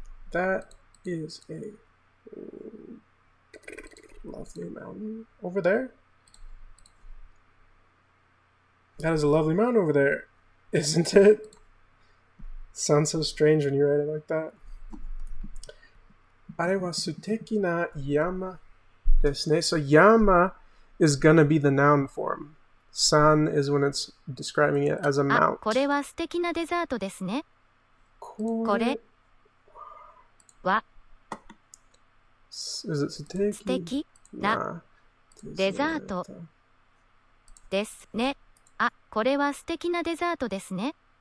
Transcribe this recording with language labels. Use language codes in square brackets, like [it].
[en] That is a lovely mountain over there. That is a lovely mountain over there, isn't it? Sounds so strange when you write it like that. [ja] あれは素敵な山ですね。 [en] So, 山 is going to be the noun form. San is when it's describing it as a mount. [ja] あ、これは素敵なデザートですね。これは素敵なデザートですね。あ、これは素敵なデザートですね。